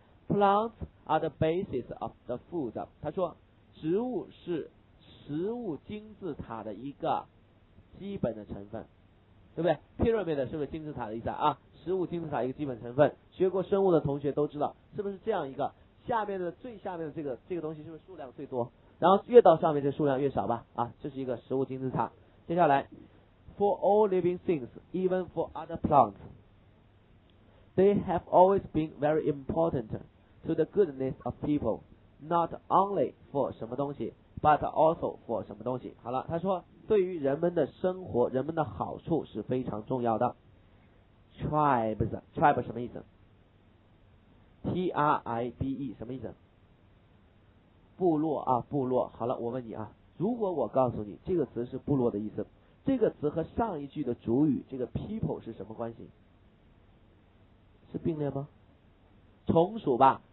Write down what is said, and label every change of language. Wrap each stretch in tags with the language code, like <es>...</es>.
<en>Plants are the basis of the food，</en> <zh>他说植物是食物金字塔的一个基本的成分，对不对？ Pyramid 是不是金字塔的意思啊？食物金字塔一个基本成分，学过生物的同学都知道，是不是这样一个下面的最下面的这个东西是不是数量最多，然后越到上面这数量越少吧，啊，这是一个食物金字塔。接下来</zh> <en>for all living things even for other plants they have always been very important to the goodness of people not only for</en> <zh>什么东西</zh> <en>but also for 什么东西。</en> <zh>好了，他说对于人们的生活人们的好处是非常重要的。 tribe 什么意思？T-R-I-B-E 什么意思？部落啊，部落。好了，我问你啊，如果我告诉你这个词是部落的意思，这个词和上一句的主语这个 people 是什么关系？是并列吗？从属吧。</zh>